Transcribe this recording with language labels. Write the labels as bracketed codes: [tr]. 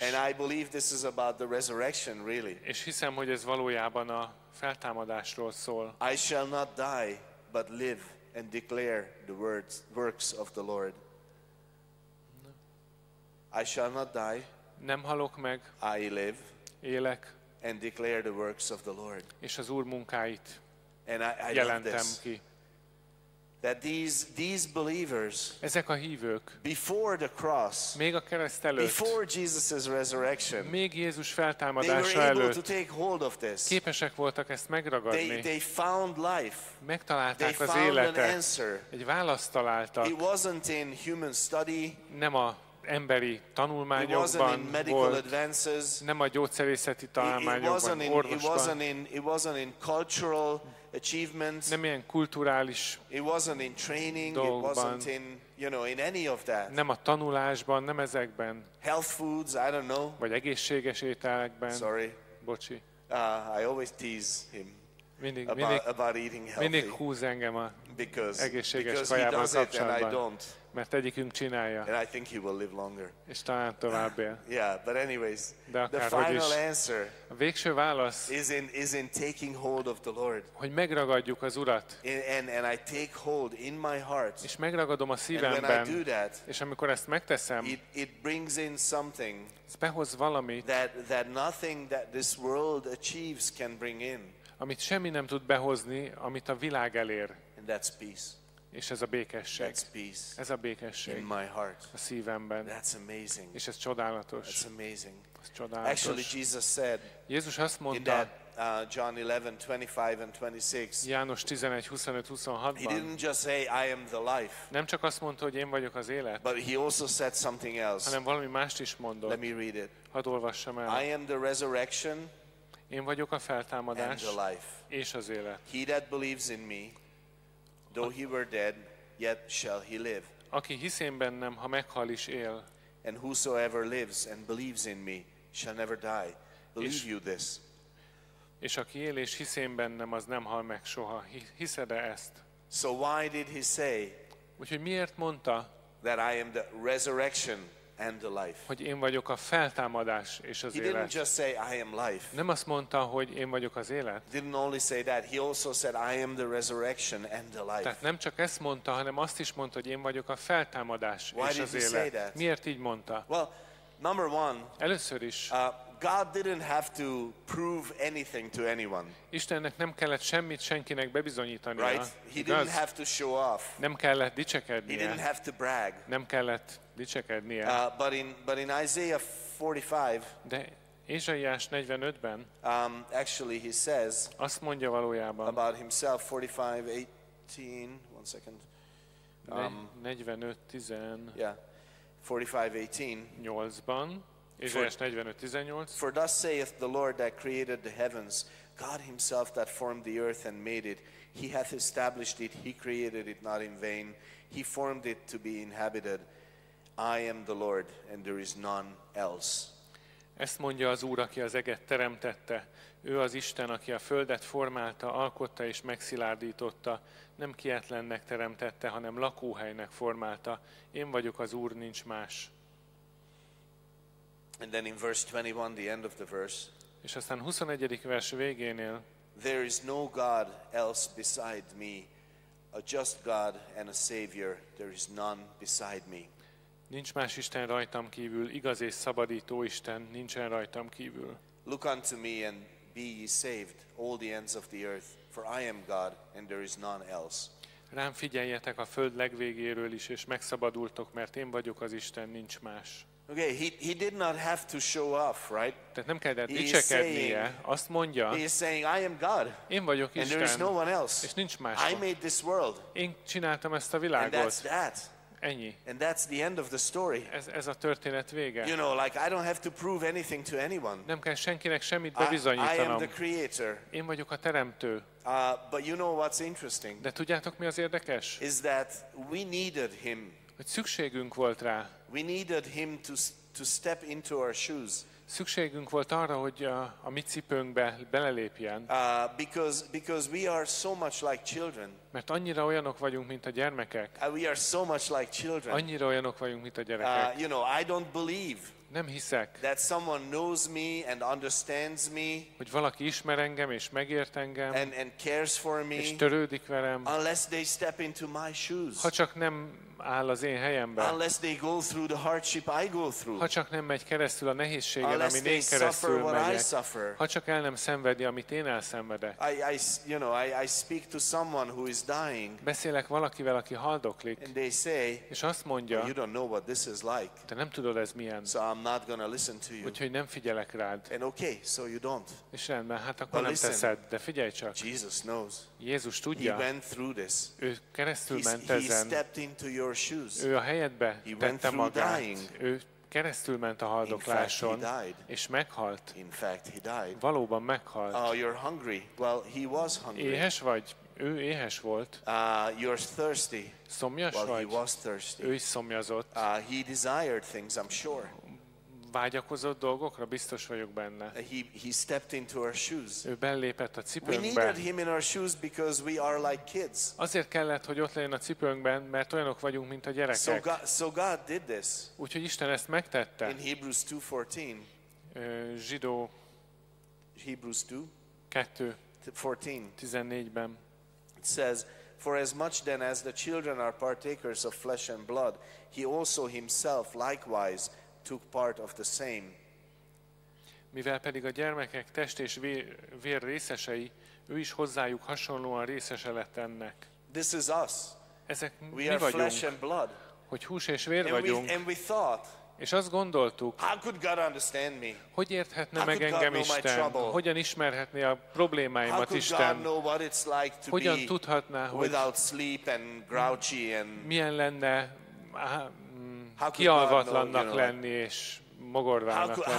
[en] And I believe this is about the resurrection, really. [hu] És hiszem, hogy ez valójában a feltámadásról szól. [en] I shall not die, but live and declare the works of the Lord. I shall not die. [hu] Nem halok meg. [en] I live. [hu] Élek. [en] And declare the works of the Lord. [hu] És az Úr munkáit. [en] And I [hu] jelentem ki. [en] That these believers, [hu] ezek a hívők, [en] before the cross, [hu] még a kereszt előtt, [en] before Jesus's resurrection, [hu] még Jézus feltámadása előtt, [en] to take hold of this. [hu] Képesek voltak ezt megragadni. [en] They found life. [hu] Megtalálták [en] they [hu] az [en] found [hu] életet. [en] An answer. [hu] Egy választ találtak. [en] It wasn't in human study. [hu] Nem a emberi tanulmányokban volt, [en] advances, [hu] nem a gyógyszerészeti találmányokban, orvosban, [en] it wasn't in cultural achievements, [hu] nem ilyen kulturális [en] it wasn't in training, [hu] dolgokban, [en] it wasn't in, you know, in any of that. [hu] Nem a tanulásban, nem ezekben. [en] Health foods, I don't know. [hu] Vagy egészséges ételekben. [en] Sorry. [hu] Bocsi. [en] I always tease him. [hu] Mindig [en] eating healthy. [hu] Mindig húz engem a egészséges kajával kapcsolatban. Mert egyikünk csinálja. [en] And I think he will live longer. [hu] És talán tovább él. [en] Yeah, but anyways, [hu] de akár, [en] the final answer. [hu] A végső válasz. [en] Is in taking hold of the Lord. [hu] Hogy megragadjuk az Urat. [en] And I take hold in my heart. [hu] És megragadom a szívemben. [en] And when I do that, [hu] és amikor ezt megteszem, [en] it brings in something. [hu] Ez behoz valamit. [en] That nothing that this world achieves can bring in. [hu] Amit semmi nem tud behozni, amit a világ elér. [en] And that's peace. [hu] És ez a békesség. [en] That's peace. [hu] Ez a békesség. [en] In my heart. [hu] A szívemben. [en] That's amazing. [hu] És ez csodálatos. [en] That's amazing. [hu] Ez csodálatos. [en] Actually, Jesus said. [hu] Jézus azt mondta. [en] In that John 11:25 and 26. [hu] János 11:25-26-ban. [en] He didn't just say I am the life. [hu] Nem csak azt mondta, hogy én vagyok az élet. [en] But he also said something else. [hu] Hanem valami mást is mondott. [en] Let me read it. [hu] Hadd olvassam el. [en] I am the resurrection. [hu] Én vagyok a feltámadás és az élet. [en] He that believes in me, though he were dead, yet shall he live. [hu] Aki hisz én bennem, ha meghal is él. [en] And whosoever lives and believes in me shall never die. Believe you this. [hu] És aki él és hisz én bennem, az nem hal meg soha. Hiszed-e ezt? [en] So why did he say? [hu] Úgyhogy miért mondta? [en] That I am the resurrection. And the life. [hu] Hogy én vagyok a feltámadás és az élet. [en] He didn't just say I am life. [hu] Nem azt mondta, hogy én vagyok az élet. [en] Didn't only say that, he also said I am the resurrection and the life. [hu] Tehát nem csak ezt mondta, hanem azt is mondta, hogy én vagyok a feltámadás és az élet. Miért így mondta? [en] Well, number one. [hu] Először is. [en] God didn't have to prove anything to anyone. [hu] Istennek nem kellett semmit senkinek bebizonyítania. [en] Right? He didn't have to show off. [hu] Nem kellett dicsekednie. [en] He didn't have to brag. [hu] Nem kellett dicsekednie. [en] But in Isaiah 45. [hu] De Ézsaiás 45-ben. [en] Actually, he says. [hu] Azt mondja valójában. [en] About himself, 45:18. One second. [hu] 45:10. [en] Yeah. 45:18. [hu] 8-ban. Ézsaiás 45:18. [en] For thus saith the Lord that created the heavens, God himself that formed the earth and made it, he hath established it, he created it not in vain, he formed it to be inhabited. I am the Lord, and there is none else. [hu] Ezt mondja az Úr, aki az eget teremtette. Ő az Isten, aki a földet formálta, alkotta és megszilárdította. Nem kietlennek teremtette, hanem lakóhelynek formálta. Én vagyok az Úr, nincs más. [en] And then in verse 21, the end of the verse. [hu] És aztán 21. vers végénél. [en] There is no God else beside me, a just God and a Savior. There is none beside me. [hu] Nincs más Isten rajtam kívül, igaz és szabadító Isten nincsen rajtam kívül. [en] Look unto me and be ye saved, all the ends of the earth, for I am God and there is none else. [hu] Rám figyeljetek a föld legvégéről is, és megszabadultok, mert én vagyok az Isten, nincs más. [en] Okay, he did not have to show off, right? [hu] Tehát nem kellett dicsekednie. Azt mondja. [en] He is saying, I am God. [hu] Én vagyok Isten. [en] And there is no one else. [hu] És nincs más. [en] I made this world. [hu] Én csináltam ezt a világot. [en] And that's that. [hu] Ennyi. [en] And that's the end of the story. [hu] Ez a történet vége. [en] You know, like I don't have to prove anything to anyone. [hu] Nem kell senkinek semmit bebizonyítanom. [en] I am the creator. [hu] Én vagyok a teremtő. [en] But you know what's interesting? [hu] De tudjátok, mi az érdekes? [en] Is that we needed him. [hu] Hogy szükségünk volt rá. [en] We needed him to step into our shoes. [hu] Szükségünk volt arra, hogy a mi cipőnkbe belelépjen. [en] Because we are so much like children. [hu] Mert annyira olyanok vagyunk, mint a gyermekek. [en] We are so much like children. [hu] Annyira olyanok vagyunk, mint a gyerekek. [en] You know, I don't believe. [hu] Nem hiszek. [en] That someone knows me and understands me. [hu] Hogy valaki ismer engem és megért engem. [en] And cares for me. [hu] És törődik velem. [en] Unless they step into my shoes. [hu] Ha csak nem áll az én helyemben. [en] Unless they go through the hardship I go through. [hu] Ha csak nem megy keresztül a nehézségen, amin én keresztül megyek. Ha csak el nem szenvedi, amit én elszenvedek. [en] I speak to someone who is dying. [hu] Beszélek valakivel, aki haldoklik. [en] And they say, [hu] és azt mondja, [en] you don't know what this is like. [hu] Te nem tudod, ez milyen. [en] So I'm not gonna listen to you. [hu] Úgyhogy nem figyelek rád. [en] And okay, so you don't. [hu] És rendben, hát akkor nem teszed, de figyelj csak. [en] Jesus knows. [hu] Jézus tudja. [en] He went through this. [hu] Ő keresztül ment ezen. [en] He stepped into your [hu] ő a helyedbe tette magát. Ő keresztül ment a haldokláson, és meghalt. [en] In fact, he died. [hu] Valóban meghalt. [en] Oh, you're hungry. Well, he was hungry. [hu] Éhes vagy? Ő éhes volt. [en] You're thirsty. [hu] Szomjas [en] well, [hu] vagy. [en] He was thirsty. [hu] Ő is szomjazott. [en] He desired things, I'm sure. [hu] Vágyakozott dolgokra, biztos vagyok benne. [en] He stepped into our shoes. [hu] Ő belépett a cipőnkbe. [en] We needed him in our shoes because we are like kids. [hu] Azért kellett, hogy ott legyen a cipőnkben, mert olyanok vagyunk, mint a gyerekek. [en] So God did this. [hu] Úgyhogy Isten ezt megtette. [en] In Hebrews 2:14. [hu] Zsidó. [en] Hebrews 2. [hu] 2:14-ben. [en] It says, for as much then as the children are partakers of flesh and blood, he also himself likewise took part of the same. [hu] Mivel pedig a gyermekek test és vér részesei, ő is hozzájuk hasonlóan részese lett ennek. [en] This is us. [hu] Ezek [en] we [hu] mi [en] are [hu] vagyunk, [en] flesh and blood. [hu] Hogy hús és vér vagyunk. [en] And we thought, [hu] és azt gondoltuk, [en] how could God understand me? [hu] Hogy érthetne meg engem Isten? Hogyan ismerhetné a problémáimat Isten? [en] Like [hu] hogyan tudhatná, [en] without sleep and grouchy and [hu] milyen lenne kialvatlannak lenni és mogorvának lenni?